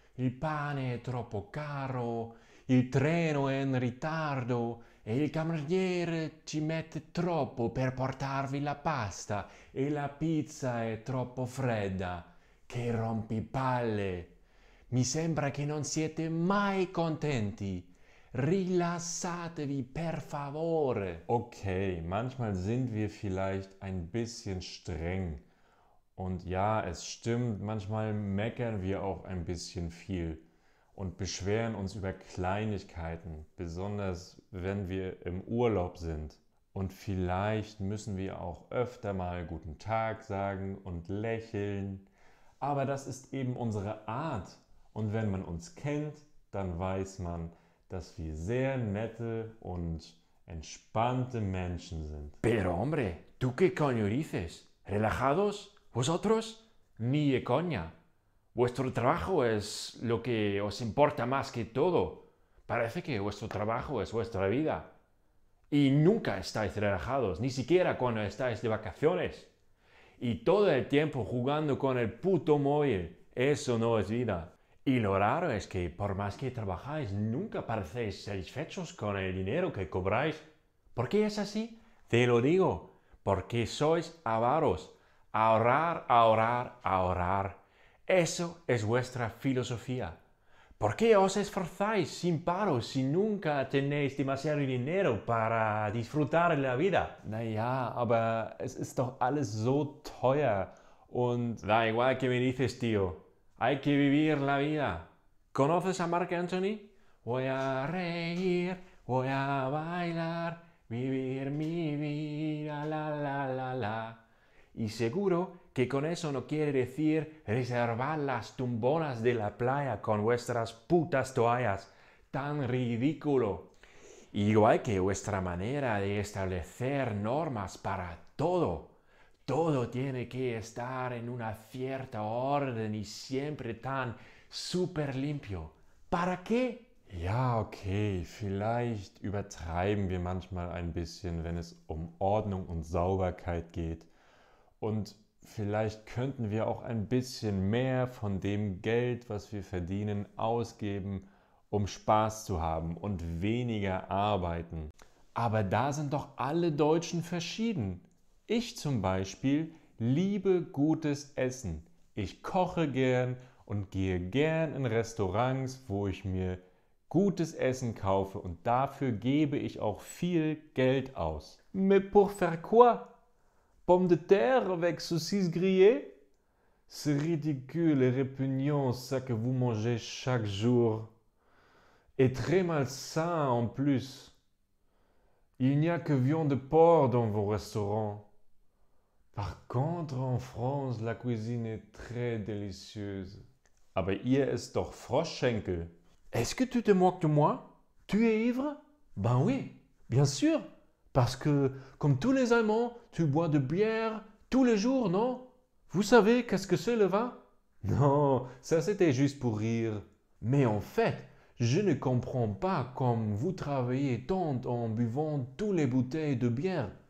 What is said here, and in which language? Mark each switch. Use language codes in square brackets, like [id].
[it] Il pane è troppo caro, il treno è in ritardo e il cameriere ci mette troppo per portarvi la pasta e la pizza è troppo fredda. Che rompipalle! Mi sembra che non siete mai contenti. Rilassatevi, per favore! [de] Okay, manchmal sind wir vielleicht ein bisschen streng. Und ja, es stimmt, manchmal meckern wir auch ein bisschen viel und beschweren uns über Kleinigkeiten, besonders wenn wir im Urlaub sind. Und vielleicht müssen wir auch öfter mal guten Tag sagen und lächeln. Aber das ist eben unsere Art. Und wenn man uns kennt, dann weiß man, dass wir sehr nette und entspannte Menschen sind. [es] Pero hombre, ¿tú qué coño dices? ¿Relajados? Vosotros, ni de coña. Vuestro trabajo es lo que os importa más que todo. Parece que vuestro trabajo es vuestra vida. Y nunca estáis relajados, ni siquiera cuando estáis de vacaciones. Y todo el tiempo jugando con el puto móvil. Eso no es vida. Y lo raro es que por más que trabajáis, nunca parecéis satisfechos con el dinero que cobráis. ¿Por qué es así? Te lo digo, porque sois avaros. Ahorrar, ahorrar, ahorrar. Eso es vuestra filosofía. ¿Por qué os esforzáis sin paro si nunca tenéis demasiado dinero para disfrutar la vida? [de] Naja, aber es ist doch alles so teuer und... [es] Da igual que me dices, tío. Hay que vivir la vida. ¿Conoces a Marc Anthony? Voy a reír, voy a bailar, vivir mi vida, la la la la. Y seguro que con eso no quiere decir reservar las tumbonas de la playa con vuestras putas toallas. ¡Tan ridículo! Igual que vuestra manera de establecer normas para todo. Todo tiene que estar en una cierta orden y siempre tan súper limpio. ¿Para qué? [de] Ja, okay, vielleicht übertreiben wir manchmal ein bisschen, wenn es um Ordnung und Sauberkeit geht. Und vielleicht könnten wir auch ein bisschen mehr von dem Geld, was wir verdienen, ausgeben, um Spaß zu haben und weniger arbeiten. Aber da sind doch alle Deutschen verschieden. Ich zum Beispiel liebe gutes Essen. Ich koche gern und gehe gern in Restaurants, wo ich mir gutes Essen kaufe und dafür gebe ich auch viel Geld aus. [fr] Mais pour faire quoi? Pommes de terre avec saucisse grillée? C'est ridicule et répugnant ça que vous mangez chaque jour. Et très malsain en plus. Il n'y a que viande de porc dans vos restaurants. Par contre, en France, la cuisine est très délicieuse. [de] Aber ihr esst doch Froschschenkel. [fr] Est-ce que tu te moques de moi? Tu es ivre? Ben oui, bien sûr. Parce que, comme tous les Allemands, tu bois de bière tous les jours, non? Vous savez qu'est-ce que c'est le vin? Non, ça c'était juste pour rire. Mais en fait, je ne comprends pas comme vous travaillez tant en buvant toutes les bouteilles de bière.